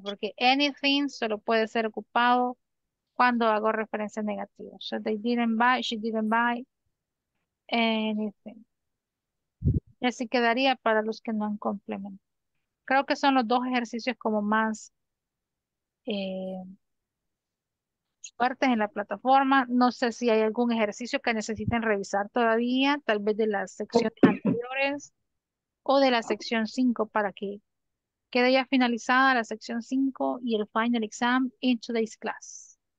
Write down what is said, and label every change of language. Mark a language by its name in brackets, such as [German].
[Spanish] Porque anything solo puede ser ocupado cuando hago referencia negativa. [English] So they didn't buy, she didn't buy anything. [Spanish] Y así quedaría para los que no han complementado. Creo que son los dos ejercicios como más fuertes en la plataforma. No sé si hay algún ejercicio que necesiten revisar todavía, tal vez de las secciones anteriores o de la sección 5 para que quede ya finalizada la sección 5 y el [English] final exam in today's class.